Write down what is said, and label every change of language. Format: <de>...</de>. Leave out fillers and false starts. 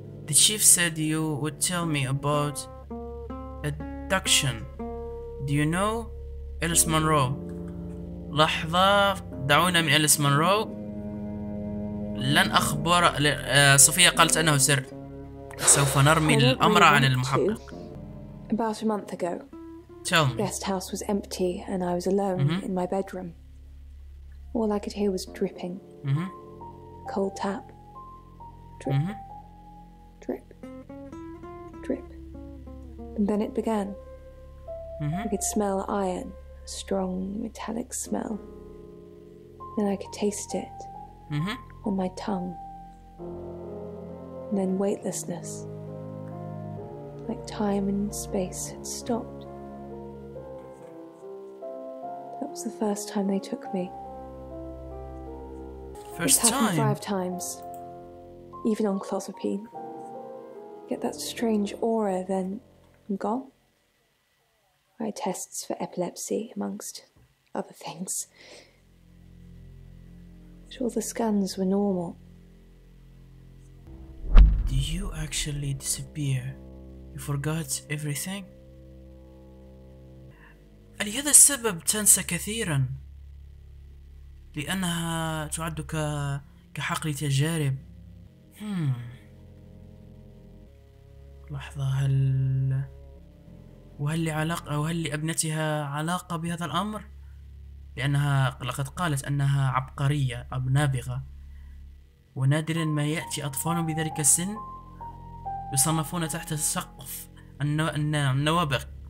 <en>The chief said you would tell me about abduction. Do you know Alice Monroe?</en> <ar>لحظة، دعونا من أليس مونرو. لن أخبر صوفيا قالت أنه سر. سوف نرمي الأمر عن المحقق.</ar> <en>About a month ago. Tell me. Guest house was empty and I was alone in my bedroom. All I could hear was dripping. Cold tap. Drip. Drip. Drip. And then it began. I could smell iron. A strong metallic smell. Then I could taste it on my tongue. And then weightlessness. Like time and space had stopped. That was the first time they took me. First time? It's happened five times. Even on clozapine. Get that strange aura, then I'm gone. I had tests for epilepsy, amongst other things. But all the scans were normal. Do you actually disappear? You forgot everything?</en> <ar>لهذا السبب تنسى كثيرا، لأنها تعد كحقل تجارب. لحظة، وهل لأبنتها علاقة بهذا الأمر؟ لأنها لقد قالت أنها عبقرية أو نابغة، ونادرا ما يأتي أطفال بذلك السن يصنفون تحت سقف النوابغ.</ar>